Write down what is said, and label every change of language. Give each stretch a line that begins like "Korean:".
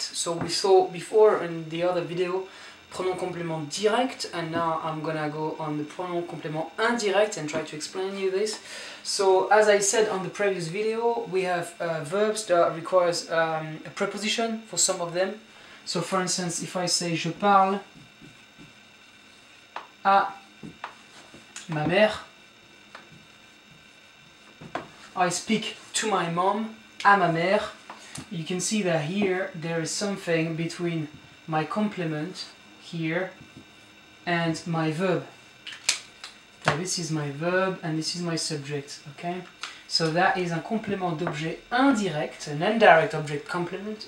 English: So we saw before in the other video pronoun complément direct, and now I'm gonna go on the pronoun complément indirect and try to explain you this. So as I said on the previous video, we have verbs that requires a preposition for some of them. So for instance, if I say
French: je parle à ma mère,
English: I speak to my mom,
French: à ma mère.
English: You can see that here there is something between my complement here and my verb. So this is my verb and this is my subject, okay? So that is a complément d'objet indirect, an indirect object complement.